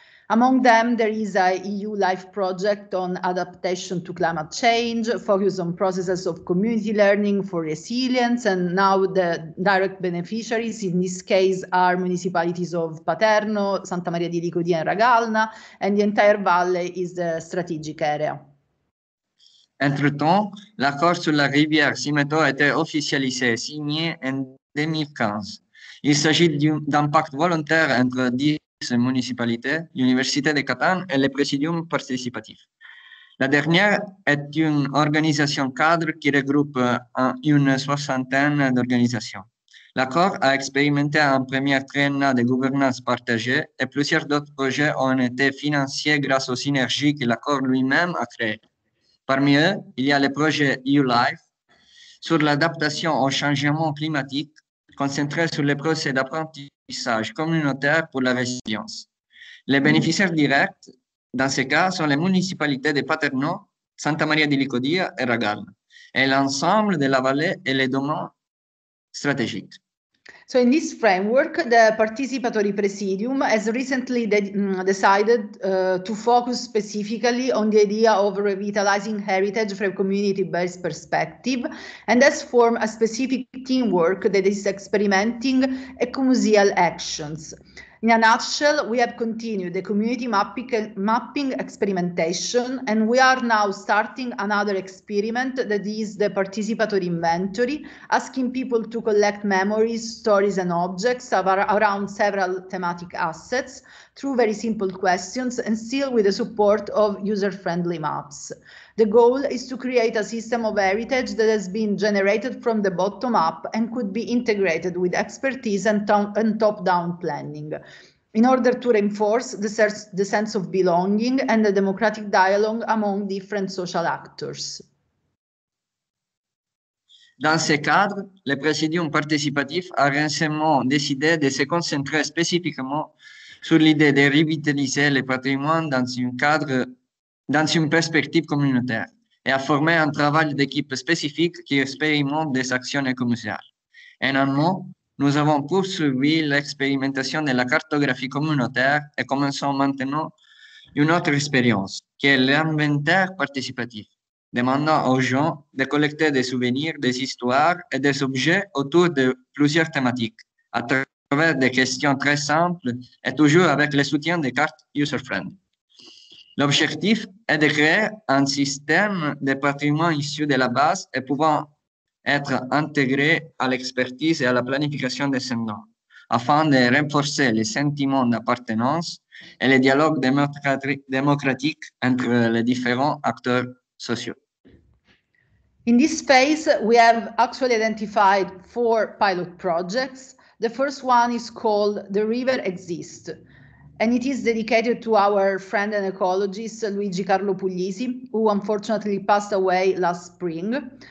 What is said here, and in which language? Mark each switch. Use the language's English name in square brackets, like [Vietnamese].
[English] Among them, there is a EU life project on adaptation to climate change, focused on processes of community learning for resilience, and now the direct beneficiaries in this case are municipalities of Paterno, Santa Maria di Licodia and Ragalna, and the entire valley is the strategic area. [French] Entretemps, l'accord sur la rivière Simeto a été officialisé, signé en 2015. Il s'agit d'un pacte volontaire entre 10 municipalités, l'Université de Catane et le Présidium participatif. La dernière est une organisation cadre qui regroupe une soixantaine d'organisations. L'accord a expérimenté un premier triennat de gouvernance partagée et plusieurs d'autres projets ont été financés grâce aux synergies que l'accord lui-même a créées. Parmi eux, il y a le projet EU-LIFE sur l'adaptation au changement climatique, concentré sur les procès d'apprentissage communautaire pour la résilience. Les bénéficiaires directs, dans ce cas, sont les municipalités de Paternò, Santa Maria di Licodia et Ragalla, et l'ensemble de la vallée et les domaines stratégiques. [English] So in this framework, the participatory presidium has recently decided to focus specifically on the idea of revitalizing heritage from a community-based perspective and has formed a specific teamwork that is experimenting ecomuseal actions. In a nutshell, we have continued the community mapping experimentation, and we are now starting another experiment that is the participatory inventory, asking people to collect memories, stories, and objects around several thematic assets through very simple questions and still with the support of user-friendly maps. The goal is to create a system of heritage that has been generated from the bottom up and could be integrated with expertise and top-down planning in order to reinforce the sense of belonging and the democratic dialogue among different social actors. [French] Dans ce cadre, le Presidium participatif a récemment décidé de se concentrer spécifiquement sur l'idée de revitaliser le patrimoine dans une perspective communautaire et a formé un travail d'équipe spécifique qui expérimente des actions écomuseales. En un mot, nous avons poursuivi l'expérimentation de la cartographie communautaire et commençons maintenant une autre expérience, qui est l'inventaire participatif, demandant aux gens de collecter des souvenirs, des histoires et des objets autour de plusieurs thématiques, à travers des questions très simples et toujours avec le soutien des cartes user-friendly. L'objectif est de créer un système de patrimoine issu de la base et pouvant être intégré à l'expertise et à la planification des sendons, afin de renforcer les sentiments d'appartenance et les dialogues démocratiques entre les différents acteurs sociaux. [English] In this phase, we have actually identified four pilot projects. The first one is called The River Exists, and it is dedicated to our friend and ecologist, Luigi Carlo Puglisi, who unfortunately passed away last spring.